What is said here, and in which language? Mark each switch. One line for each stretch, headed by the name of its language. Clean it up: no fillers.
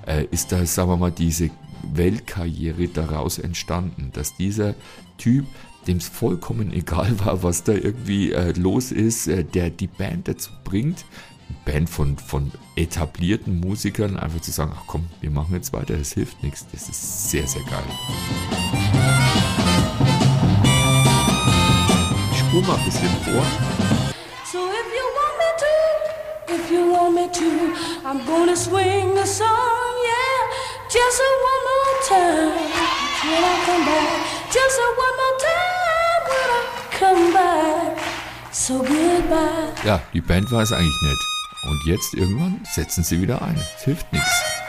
German: ist da, sagen wir mal, diese Weltkarriere daraus entstanden, dass dieser Typ, dem es vollkommen egal war, was da irgendwie los ist, der die Band dazu bringt, Band von etablierten Musikern einfach zu sagen, ach komm, wir machen jetzt weiter, das hilft nichts, das ist sehr, sehr geil. Ich spule mal ein bisschen vor.
English: So if you want me to, if you want me to, I'm gonna swing the song, yeah, just a one more time, when I come back, just a one more time, when I come back, so goodbye.
German: Ja, die Band war es eigentlich nicht. Und jetzt irgendwann setzen sie wieder ein. Es hilft nichts.